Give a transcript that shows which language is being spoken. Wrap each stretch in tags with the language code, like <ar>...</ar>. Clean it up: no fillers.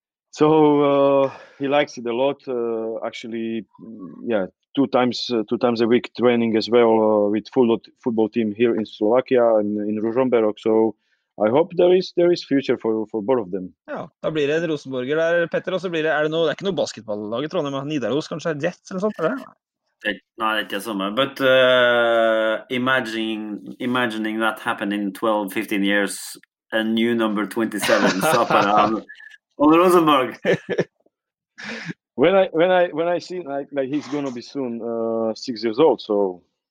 <en>So he likes it a lot. Actually, yeah, two times a week training as well with football team here in Slovakia and in Ružomberok. So I hope there is future for both of them.</en> <no>Ja, da blir det en Rosenborger der, Petter, og så blir det noe, det ikke noe basketballlag I Trondheim, Nidaros kanskje, Jets eller sånt, eller? Nei, det ikke samme.</no> <en>But imagining that happened in 12, 15 years, a new number 27, Sapara. On Rosenborg. when I see like he's gonna be soon 6 years old, so</en>